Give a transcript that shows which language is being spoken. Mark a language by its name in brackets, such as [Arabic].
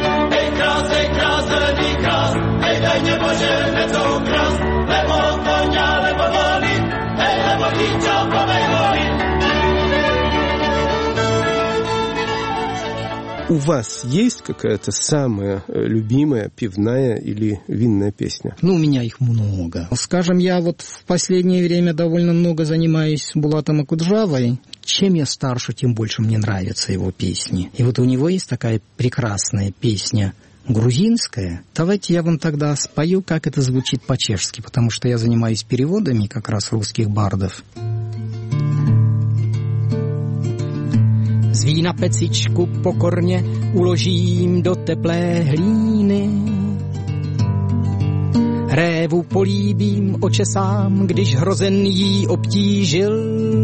[Slovak] Hej, krás, hej, krás, zelený krás, hej, daj mě Bože, něco ukras, lebo koně, lebo volí, hej, lebo dítě, pomej volí. [Russian] У вас есть какая-то самая любимая пивная или винная песня? Ну, у меня их много. Скажем, я вот в последнее время довольно много занимаюсь Булатом Акуджавой. Чем я старше, тем больше мне нравятся его песни. И вот у него есть такая прекрасная песня грузинская. Давайте я вам тогда спою, как это звучит по-чешски, потому что я занимаюсь переводами как раз русских бардов. [Czech] Zví na pecičku pokorně uložím do teplé hlíny. Révu políbím, očesám, když hrozen jí obtížil.